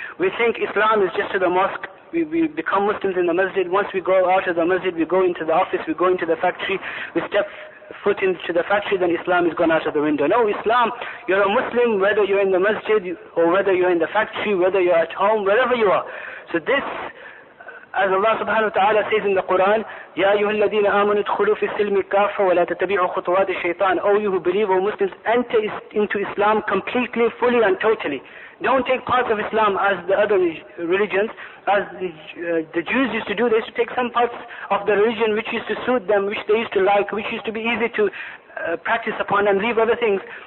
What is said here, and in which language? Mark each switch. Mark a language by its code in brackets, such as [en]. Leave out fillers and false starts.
[en] We think Islam is just to the mosque. We become Muslims in the masjid. Once we go out of the masjid, we go into the office, we go into the factory, we step foot into the factory, then Islam is gone out of the window. No, Islam, you're a Muslim, whether you're in the masjid or whether you're in the factory, whether you're at home, wherever you are. So this, as Allah subhanahu wa ta'ala says in the Quran, [ar] يَا أَيُّهَا الَّذِينَ آمَنُوا ادْخُلُوا فِي السِّلْمِ كَافَّةً وَلَا تَتَّبِعُوا خُطُوَاتِ الشَّيْطَانِ. [en] Oh, you who believe, O Muslims, enter into Islam completely, fully and totally. Don't take parts of Islam as the other religions, as the Jews used to do. They used to take some parts of the religion which used to suit them, which they used to like, which used to be easy to practice upon, and leave other things.